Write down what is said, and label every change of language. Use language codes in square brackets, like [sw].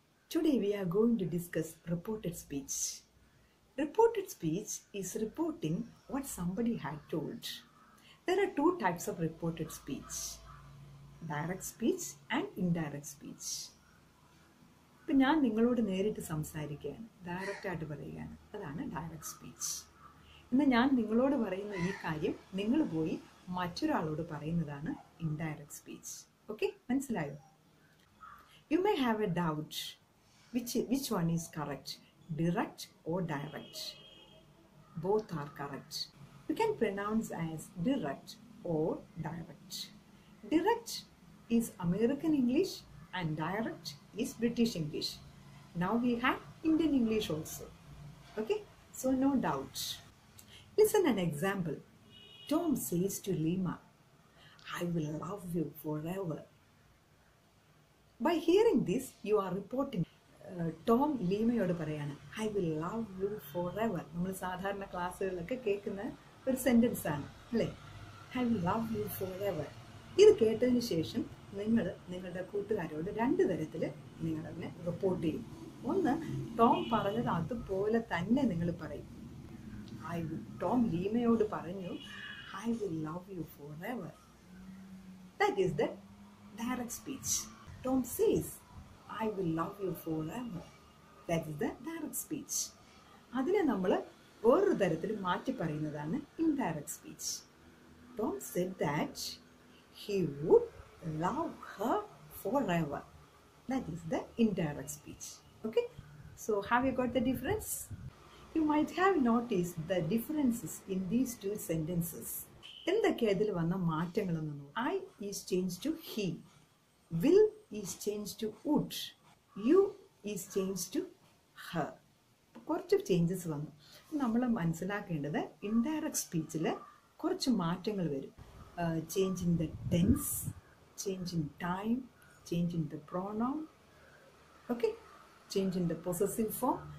[en] Today we are going to discuss reported speech. Reported speech is reporting what somebody had told. There are two types of reported speech: direct speech and indirect speech. [ml] ഇപ്പൊ ഞാൻ നിങ്ങളോട് നേരിട്ട് സംസാരിക്കുകയാണ്, direct ആയിട്ട് പറയുകയാണ്, അതാണ് direct speech. എന്നാൽ ഞാൻ നിങ്ങളോട് പറയുന്ന ഈ കാര്യം നിങ്ങൾ പോയി മറ്റൊരാളോട് പറയുന്നതാണ് ഇൻഡയറക്റ്റ് സ്പീച്ച്. ഓക്കെ, മനസ്സിലായോ? [en] You may have a doubt which one is correct, direct or direct. Both are correct. You can pronounce as direct or direct. Direct is American English and direct is British English. Now we have Indian English also. Okay, so no doubt. Listen an example. Tom says to Lima, I will love you forever. By hearing this, you are reporting. Tom [ml] ലീമയോട് പറയാണ്, [en] I will love you forever. [ml] നമ്മൾ സാധാരണ ക്ലാസ്സുകളിലൊക്കെ കേൾക്കുന്ന ഒരു sentence ആണ് അല്ലേ, [en] I will love you forever. [ml] ഇത് കേട്ടതിന് ശേഷം നിങ്ങൾ നിങ്ങളുടെ കൂട്ടുകാരോട് രണ്ട് തരത്തിൽ നിങ്ങളതിനെ റിപ്പോർട്ട് ചെയ്യും. ഒന്ന്, ടോം പറഞ്ഞത് അതുപോലെ തന്നെ നിങ്ങൾ പറയും. [en] Tom [ml] ലീമയോട് പറഞ്ഞു, [en] I will love you forever. That is the direct speech. Tom says, I will love you forever. That is the direct speech. [ml] അതിനെ നമ്മൾ വേറൊരു തരത്തിൽ മാറ്റി പറയുന്നതാണ് indirect speech. [en] Tom said that he would love her forever. That is the indirect speech. Okay? So have you got the difference? You might have noticed the differences in these two sentences. [ml] എന്തൊക്കെ അതിൽ വന്ന മാറ്റങ്ങളെന്ന് നോക്കാം. [en] I is changed to he. Will is changed to would. You is changed to her. [ml] കുറച്ച് changes വന്നു. നമ്മൾ മനസ്സിലാക്കേണ്ടത് indirect സ്പീച്ചിൽ കുറച്ച് മാറ്റങ്ങൾ വരും. [en] Change in the tense, change in time, change in the pronoun, okay, change in the possessive form.